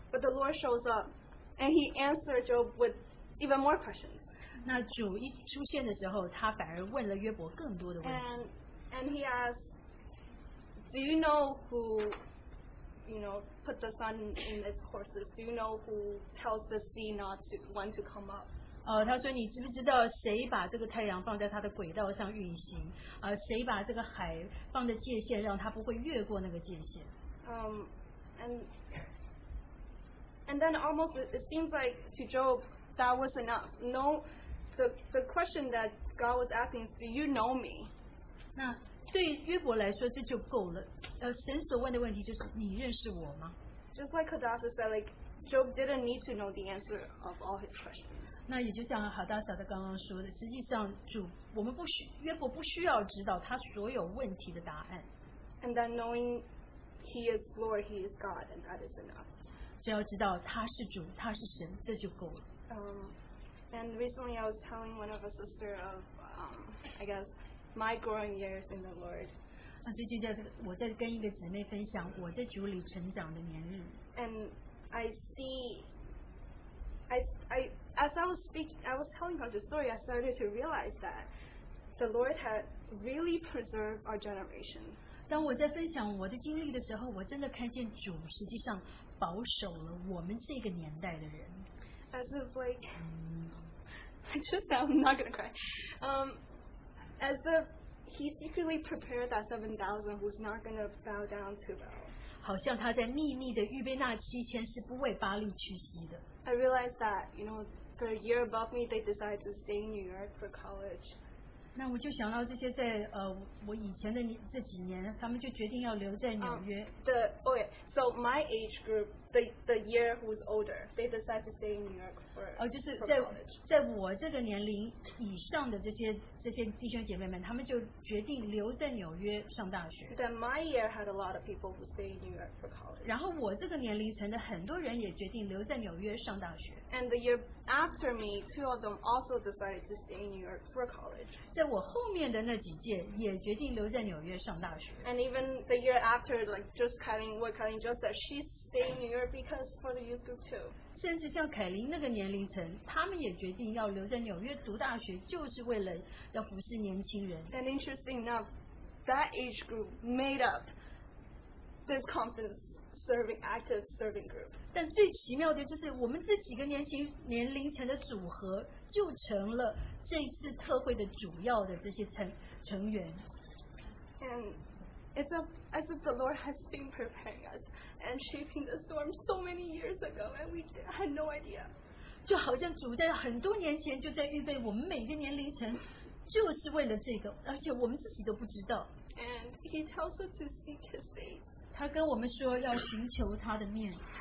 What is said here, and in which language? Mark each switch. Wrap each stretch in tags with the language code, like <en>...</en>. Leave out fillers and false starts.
<en>But the Lord shows up, and he answered Job with even more questions.</en> <zh>那主一出现的时候，他反而问了约伯更多的问题。</zh> <en>And he asked, do you know who, you know, put the sun in its courses? Do you know who tells the sea not to, when to come up?</en> <zh>他说你知不知道谁把这个太阳放在他的轨道上运行，谁把这个海放的界限让他不会越过那个界限。</zh> <en>And then almost it seems like to Job that was enough. No, the question that God was asking is, do you know me?</en> <zh>那对于约伯来说这就够了，神所问的问题就是你认识我吗？</zh> <en>Just like Hadassah said, like Job didn't need to know the answer of all his questions.</en> <zh>那也就像哈达萨的刚刚说的，实际上主我们不需约伯不需要知道他所有问题的答案。</zh> <en>And then knowing he is Lord, he is God, and that is enough.</en> <zh>只要知道他是主，他是神，这就够了。</zh> <en>And recently I was telling one of a sister of, I guess, my growing years in the Lord.</en> <zh>那最近在我在跟一个姊妹分享我在主里成长的年日。</zh> <en>And I see. As I was telling her the story, I started to realize that the Lord had really preserved our generation.</en> <zh>当我在分享我的经历的时候，我真的看见主实际上保守了我们这个年代的人。</zh> <en>As if like, I'm not gonna cry. As if He secretly prepared that 7,000 who's not gonna bow down to Baal.</en> <zh>好像他在秘密的预备那七千是不为巴力屈膝的。</zh> <en>I realized that, you know, the year above me, they decided to stay in New York for college.</en> <zh>那我就想到这些在我以前的这几年，他们就决定要留在纽约。</zh> <en>So my age group, the year who's older, they decided to stay in New York for college.</en> <zh>在我这个年龄以上的这些弟兄姐妹们，他们就决定留在纽约上大学。</zh> <en>Then my year had a lot of people who stay in New York for college.</en> <zh>然后我这个年龄层的很多人也决定留在纽约上大学。</zh> <en>And the year after me, two of them also decided to stay in New York for college.</en> <zh>在我后面的那几届也决定留在纽约上大学。</zh> <en>And even the year after, like just Kylin, what Kylin just said, she's staying in New York because for the youth group too.</en> <zh>甚至像凯琳那个年龄层，他们也决定要留在纽约读大学，就是为了要服侍年轻人。</zh> <en>And interesting enough, that age group made up this confidence. Active serving group.</en> <zh>但最奇妙的就是我们这几个年龄层的组合就成了这次特会的主要的这些成员。</zh> <en>And it's as if the Lord has been preparing us and shaping the storm so many years ago, and we had no idea.</en> <zh>就好像主在很多年前就在预备我们每个年龄层，就是为了这个，而且我们自己都不知道。</zh> <en>And He tells us to seek His face.</en> <zh>他跟我们说要寻求他的面。</zh>